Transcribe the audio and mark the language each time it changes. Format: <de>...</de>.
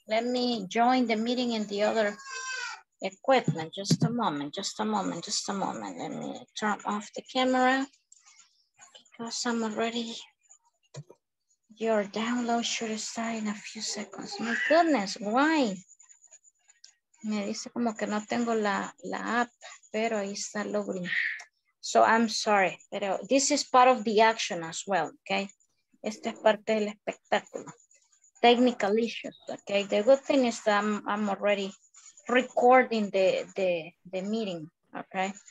<en>Let me join the meeting in the other equipment. Just a moment, just a moment, just a moment. Let me turn off the camera because I'm already, your download should start in a few seconds. My goodness, why?</en> <es>Me dice como que no tengo la app, pero ahí está logging.</es> <en>So I'm sorry,</en> <es>pero</es> <en>this is part of the action as well, okay?</en> <es>Esta es parte del espectáculo.</es> <en>Technical issues, okay? The good thing is that I'm already recording the meeting, okay?</en>